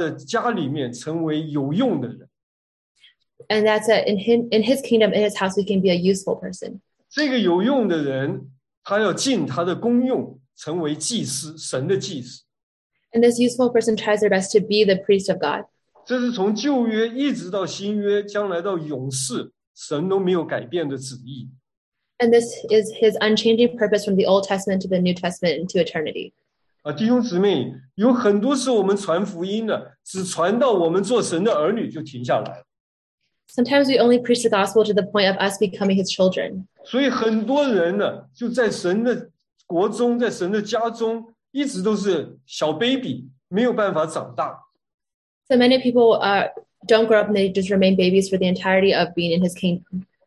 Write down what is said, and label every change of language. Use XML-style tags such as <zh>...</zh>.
<zh>就是要我们在他的国中,在他的家里面成为有用的人。</zh> <en>And that's in his kingdom, in his house, we can be a useful person.</en> <zh>这个有用的人, 他要尽他的功用,成为祭司,神的祭司。</zh> <en>And this useful person tries their best to be the priest of God.</en> <zh>这是从旧约一直到新约,将来到永世,神都没有改变的旨意。</zh> <en>And this is his unchanging purpose from the Old Testament to the New Testament into eternity.</en> <zh>弟兄姊妹,有很多时候我们传福音,只传到我们做神的儿女就停下来了。</zh> <en>Sometimes we only preach the gospel to the point of us becoming his children.</en> <zh>所以很多人呢,就在神的国中,在神的家中,一直都是小baby,没有办法长大。</zh> <en>So many people don't grow up and they just remain babies for the entirety of being in his kingdom.</en>